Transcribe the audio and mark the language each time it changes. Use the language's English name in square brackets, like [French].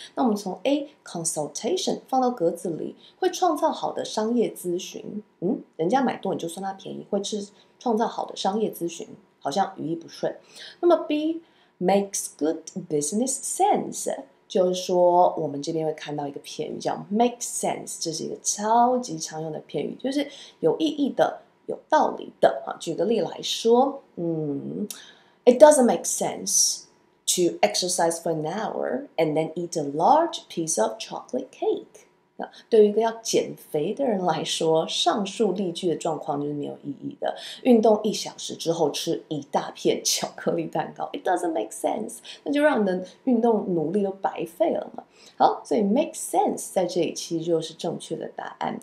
[Chinese] 那我们从 A consultation 放到格子里，会创造好的商业咨询，人家买多你就算它便宜，会是创造好的商业咨询，好像语义不顺。那么 [English] B makes good business sense， [Chinese] 就是说我们这边会看到一个片语叫 make sense， 这是一个超级常用的片语，就是有意义的，有道理的。举个例来说， [English] It doesn't make sense to exercise for an hour and then eat a large piece of chocolate cake。 [Chinese] 对于一个要减肥的人来说，上述例句的状况就是没有意义的。运动一小时之后吃一大片巧克力蛋糕 ， [English] It doesn't make sense， [Chinese] 那就让你的运动努力都白费了嘛。好，所以 make sense 在这里其实就是正确的答案。